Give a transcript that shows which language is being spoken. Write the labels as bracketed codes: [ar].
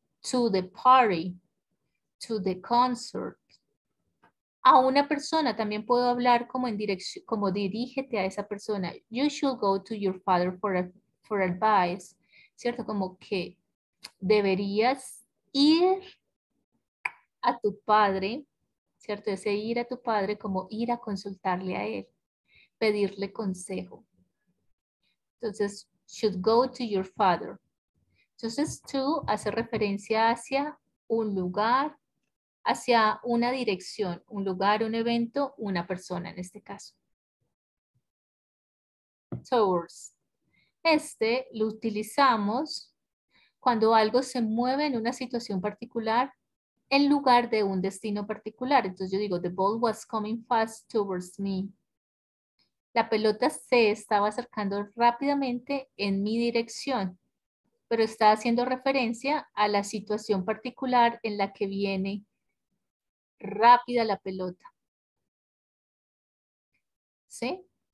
[en] To the party, to the concert. [es] A una persona, también puedo hablar como en dirección, como dirígete a esa persona. [en] You should go to your father for advice. [es] ¿Cierto? Como que deberías ir a tu padre, ¿cierto? Ese ir a tu padre como ir a consultarle a él, pedirle consejo. [en] Entonces, should go to your father. [es] Entonces, to hace referencia hacia un lugar, hacia una dirección, un lugar, un evento, una persona en este caso. Towards. Este lo utilizamos cuando algo se mueve en una situación particular en lugar de un destino particular. Entonces yo digo, [en] the ball was coming fast towards me. [es] La pelota se estaba acercando rápidamente en mi dirección. Pero está haciendo referencia a la situación particular en la que viene rápida la pelota. ¿Sí?